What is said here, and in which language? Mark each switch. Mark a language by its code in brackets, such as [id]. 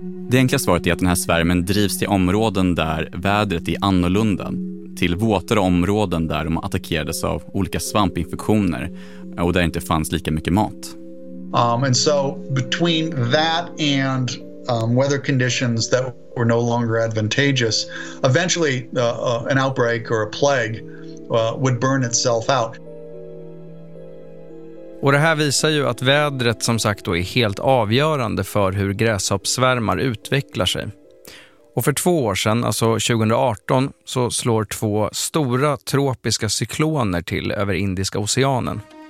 [sv] Det enkla svaret är att den här svärmen drivs till områden där vädret är annorlunda. Till våtare områden där de attackerades av olika svampinfektioner och där inte fanns lika mycket mat. [en] And so between that and weather conditions that were no longer advantageous, eventually an outbreak or a plague would burn itself out. [sv] Och det här visar ju att vädret som sagt då är helt avgörande för hur gräshoppsvärmar utvecklar sig. Och för två år sedan, alltså 2018, så slår två stora tropiska cykloner till över Indiska oceanen.